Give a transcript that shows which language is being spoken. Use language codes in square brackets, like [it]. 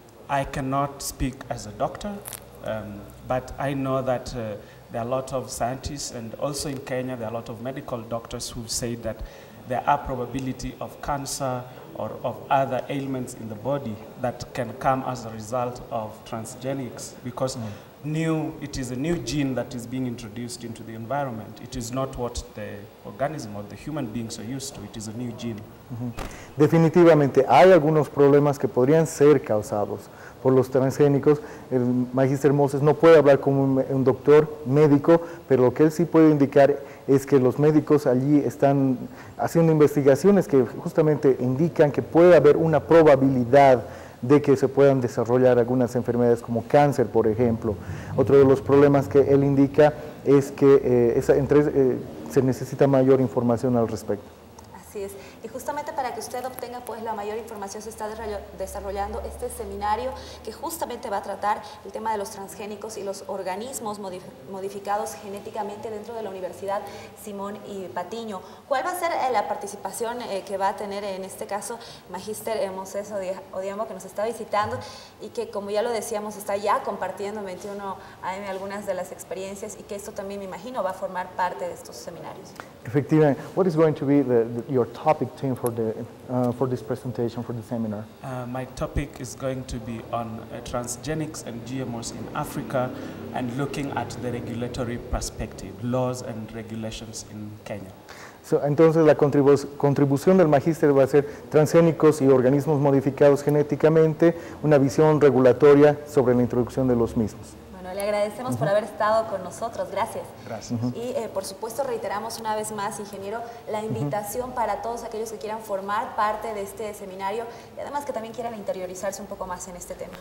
[en] I cannot speak as a doctor, but I know that there are a lot of scientists, and also in Kenya, there are a lot of medical doctors who say that there are probability of cancer or of other ailments in the body that can come as a result of transgenics, because it is a new gene that is being introduced into the environment. It is not what the organism or the human beings are used to. It is a new gene. [es] Definitivamente, hay algunos problemas que podrían ser causados por los transgénicos. El magíster Moses no puede hablar como un doctor médico, pero lo que él sí puede indicar es que los médicos allí están haciendo investigaciones que justamente indican que puede haber una probabilidad de que se puedan desarrollar algunas enfermedades como cáncer, por ejemplo. Otro de los problemas que él indica es que se necesita mayor información al respecto. Así es. Y justamente para que usted obtenga pues la mayor información, se está desarrollando este seminario que justamente va a tratar el tema de los transgénicos y los organismos modificados genéticamente dentro de la Universidad Simón y Patiño. ¿Cuál va a ser la participación que va a tener en este caso Magíster Moses Odhiambo, que nos está visitando y que, como ya lo decíamos, está ya compartiendo 21 AM algunas de las experiencias, y que esto también, me imagino, va a formar parte de estos seminarios? Efectivamente. [en] What is going to be the your topic team for this presentation, for the seminar? My topic is going to be on transgenics and GMOs in Africa and looking at the regulatory perspective, laws and regulations in Kenya. [es] So, entonces la contribución del magíster va a ser transgénicos y organismos modificados genéticamente, una visión regulatoria sobre la introducción de los mismos. Le agradecemos por haber estado con nosotros. Gracias. Gracias. Y por supuesto reiteramos una vez más, ingeniero, la invitación para todos aquellos que quieran formar parte de este seminario y además que también quieran interiorizarse un poco más en este tema.